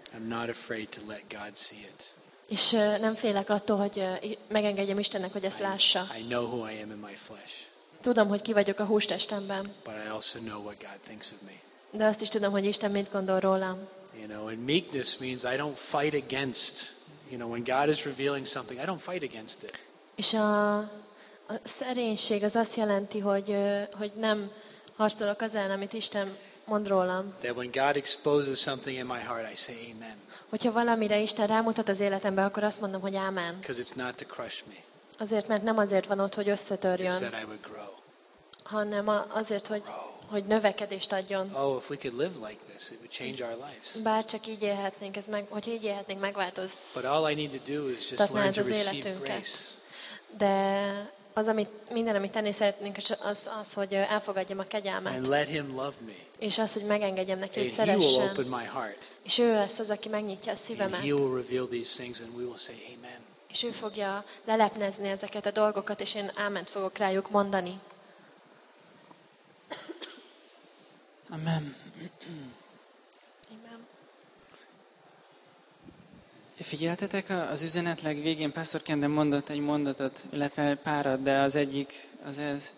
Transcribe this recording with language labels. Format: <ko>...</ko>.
<en>I'm not afraid to let God see it.</en> <hu>És nem félek attól, hogy megengedjem Istennek, hogy ezt lássa.</hu> <en>I know who I am in my flesh.</en> <hu>Tudom, hogy ki vagyok a hústestemben.</hu> <en>But I also know what God thinks of me.</en> <hu>De azt is tudom, hogy Isten mit gondol rólam.</hu> <en>You know, and meekness means I don't fight against You know, when God is revealing something, I don't fight against it.</en> <hu>És a szerénység az azt jelenti, hogy nem harcolok az ellen, amit Isten mond rólam.</hu> <en>That when God exposes something in my heart, I say amen.</en> <hu>Hogyha valamire Isten rámutat az életembe, akkor azt mondom, hogy amen.</hu> <en>Because it's not to crush me.</en> <hu>Azért, mert nem azért van ott, hogy összetörjön.</hu> <en>It's that I would grow.</en> <hu>Hanem azért, hogy növekedést adjon.</hu> <en>Oh, if we could live like this, it would change our lives.</en> <hu>Bár csak így élhetnénk, hogyha így élhetnénk, megváltoz.</hu> <en>But all I need to do is just learn to receive grace.</en> <hu>De az, amit minden, amit tenni szeretnénk, az, hogy elfogadjam a kegyelmet.</hu> <en>And let him love me.</en> <hu>És az, hogy megengedjem neki, hogy szeressen.</hu> <en>And he will open my heart.</en> <hu>És ő lesz az, aki megnyitja a szívemet.</hu> <en>And he will reveal these things, and we will say amen.</en> <hu>És ő fogja lelepnezni ezeket a dolgokat, és én áment fogok rájuk mondani.</hu> <en>Amen.</en> <hu>Amen. Figyeltetek az üzenetleg végén, Pastor Kenden mondott egy mondatot, illetve párat, de az egyik az ez.</hu>